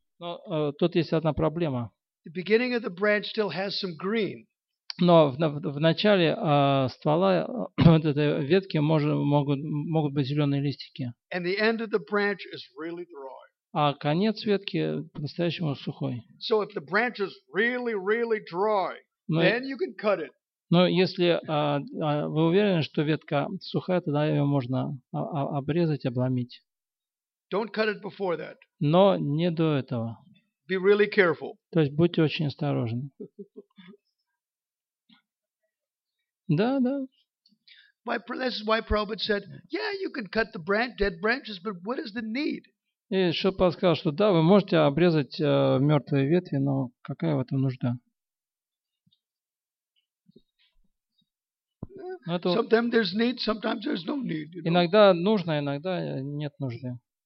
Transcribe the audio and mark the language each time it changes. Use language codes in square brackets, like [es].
[ru] Но тут есть одна проблема. [en] The beginning of the branch still has some green. [ru] Но в начале ствола вот этой ветки могут быть зеленые листики. [en] And the end of the branch is really dry. [ru] А конец ветки по-настоящему сухой. [en] So if the branch is really, really dry. [ru] Но если вы уверены, что ветка сухая, тогда ее можно обрезать, обломить. Но не до этого. [en] Be really careful. [ru] То есть будьте очень осторожны. Да, да. [en] Why, this is why Prabhupada said, yeah, you can cut the branch, dead branches, but what is the need? [ru] И Шопа сказал, что да, вы можете обрезать мертвые ветви, но какая в этом нужда? [en] Sometimes there's need, sometimes there's no need. You know? [ru] Иногда нужно, иногда нет нужды.